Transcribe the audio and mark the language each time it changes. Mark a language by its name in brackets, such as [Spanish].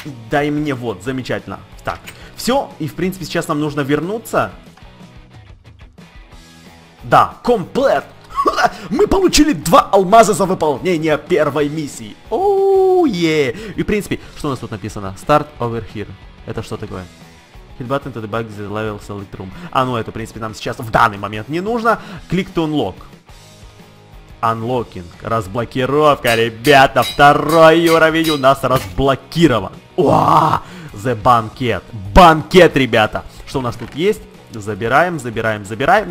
[Russian] Дай мне вот, замечательно. Так, все, и в принципе сейчас нам нужно вернуться. Да, комплект! Мы получили 2 алмаза за выполнение первой миссии. Оу-е! И в принципе, что у нас тут написано? [English] Start over here. [Russian] Это что такое? [English] Hit button to debug the level select room. [Russian] А ну это, в принципе, нам сейчас в данный момент не нужно. [English] Click to unlock. Unlocking. [Russian] Разблокировка, ребята. Второй уровень у нас разблокирован. [English] The banquet. [Russian] Банкет, ребята. Что у нас тут есть? Забираем, забираем, забираем.